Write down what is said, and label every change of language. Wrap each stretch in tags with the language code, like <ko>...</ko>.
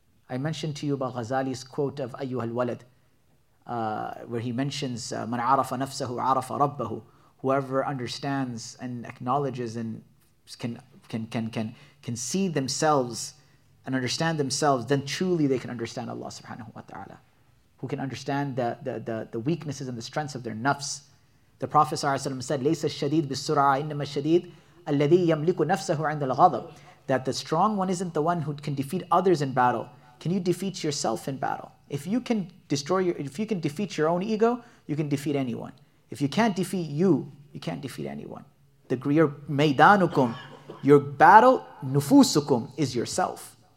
<en>I mentioned to you about Ghazali's quote of Ayyuhal Walad, where he mentions,</en> <ar>Man arafa nafsahu arafa rabbahu.</ar> <en>Whoever understands and acknowledges and can see themselves and understand themselves, then truly they can understand Allah subhanahu wa ta'ala. Who can understand the weaknesses and the strengths of their nafs. The Prophet said,</en> <ar>لَيْسَ الشَّدِيدُ بِالسُّرْعَةِ إِنَّمَا الشَّدِيدُ الَّذِي يَمْلِكُ نَفْسَهُ عِنْدَ الْغَضَبِ.</ar> <en>That the strong one isn't the one who can defeat others in battle. Can you defeat yourself in battle? If you can defeat your own ego, you can defeat anyone. If you can't defeat you, you can't defeat anyone. The greer maidanukum, your battle, nufusukum, is yourself.</en>